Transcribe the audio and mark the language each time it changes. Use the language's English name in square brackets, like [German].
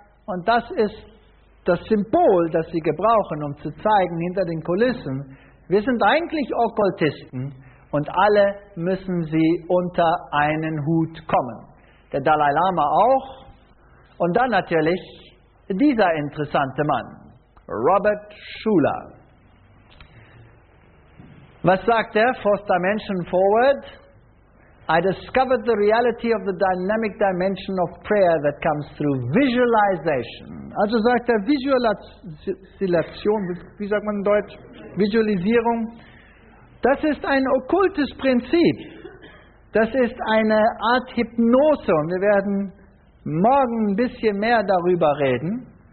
[German] Und das ist das Symbol, das sie gebrauchen, um zu zeigen hinter den Kulissen, wir sind eigentlich Okkultisten und alle müssen sie unter einen Hut kommen. Der Dalai Lama auch. Und dann natürlich dieser interessante Mann, Robert Schuller. Was sagt er? [English] Fourth Dimension Forward. I discovered the reality of the dynamic dimension of prayer that comes through visualization. [German] Also sagt er, Visualisation, wie sagt man in Deutsch? Visualisierung. Das ist ein okkultes Prinzip. Das ist eine Art Hypnose. Und wir werden morgen ein bisschen mehr darüber reden.